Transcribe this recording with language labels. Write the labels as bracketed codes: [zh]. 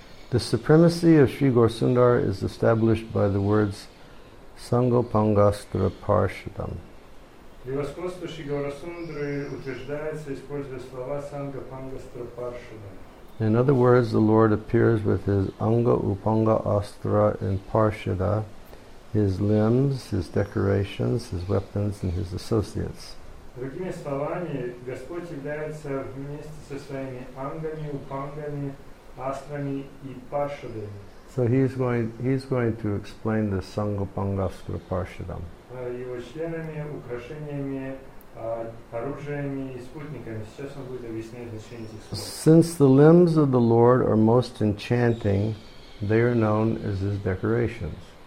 [en] The supremacy of Sri Gaurasundara is established by the words Sangopangastra Parshadam. [ru] Превосходство Шри Гаурасундры утверждается, используя слова Санга Пангастра Паршада. [en] In other words, the Lord appears with his Anga Upanga Astra and Parshada, his limbs, his decorations, his weapons and his associates. [ru] Другими словами, Господь является вместе со своими ангами, упангами, астрами и паршадами. [en] So he's going to explain the Sangha Pangastra Parshadam. [ru] Его членами, украшениями, оружиями и спутниками. Сейчас он будет объяснять значение этих слов. [en] Since the limbs of the Lord are most enchanting, they are known as his decorations.